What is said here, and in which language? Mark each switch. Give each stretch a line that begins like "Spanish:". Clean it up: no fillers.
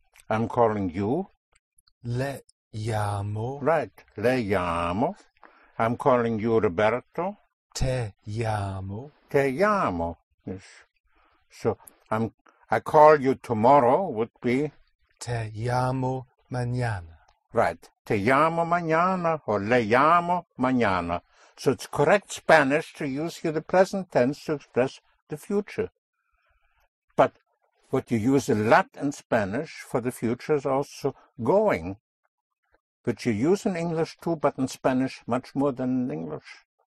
English: I'm calling you.
Spanish: Le llamo.
English: Right,
Spanish: le llamo.
English: I'm calling you, Roberto.
Spanish: Te llamo. Te llamo, yes.
English: So, I call you tomorrow would be?
Spanish: Te llamo mañana.
English: Right.
Spanish: Te llamo mañana or le llamo mañana.
English: So it's correct Spanish to use here the present tense to express the future. But what you use a lot in Spanish for the future is also going, which you use in English too, but in Spanish much more than in English.